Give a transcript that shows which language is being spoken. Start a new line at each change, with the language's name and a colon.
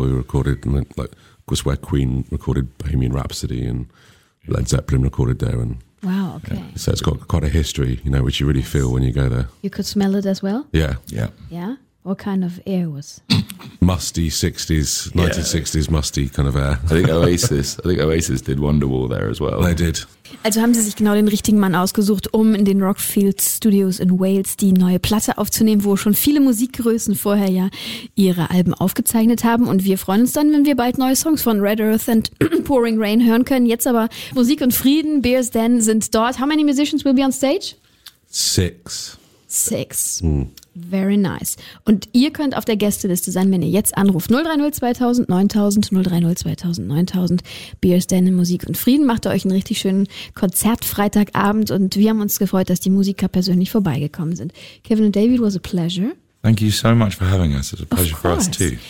English: We recorded, where Queen recorded Bohemian Rhapsody and Led Zeppelin recorded there. And wow, okay. Yeah. So it's got quite a history, you know, which you really feel when you go there. You could smell it as well? Yeah. Yeah. Yeah? What kind of air was? Musty 60s, 1960s musty kind of air. I think Oasis did Wonderwall there as well. They did.
German: Also haben Sie sich genau den richtigen Mann ausgesucht, um in den Rockfield Studios in Wales die neue Platte aufzunehmen, wo schon viele Musikgrößen vorher ja ihre Alben aufgezeichnet haben. Und wir freuen uns dann, wenn wir bald neue Songs von Red Earth and Pouring Rain hören können. Jetzt aber Musik und Frieden, Bears Den sind dort.
English: How many musicians will be on stage? Six. Very nice.
German: Und ihr könnt auf der Gästeliste sein, wenn ihr jetzt anruft. 030 2000 9000 030 2000 9000. Bears Den in Musik und Frieden. Macht euch einen richtig schönen Konzertfreitagabend. Und wir haben uns gefreut, dass die Musiker persönlich vorbeigekommen sind.
English: Kevin and David, was a pleasure. Thank you so much for having us. It's a pleasure for us too.